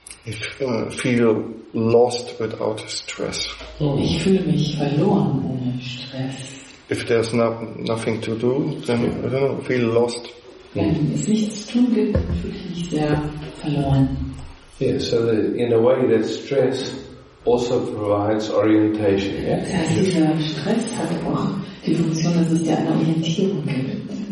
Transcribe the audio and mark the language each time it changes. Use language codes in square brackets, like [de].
[en] If feel lost without stress. [de] Ich fühle mich verloren ohne Stress. [en] If there's nothing to do, then I don't know, feel lost. [de] Wenn es nichts zu tun gibt, fühle ich mich sehr verloren. [en] Yeah, so that in a way that stress also provides orientation, yeah? [de] Dieser Stress hat auch die Funktion, dass es dir eine Orientierung gibt.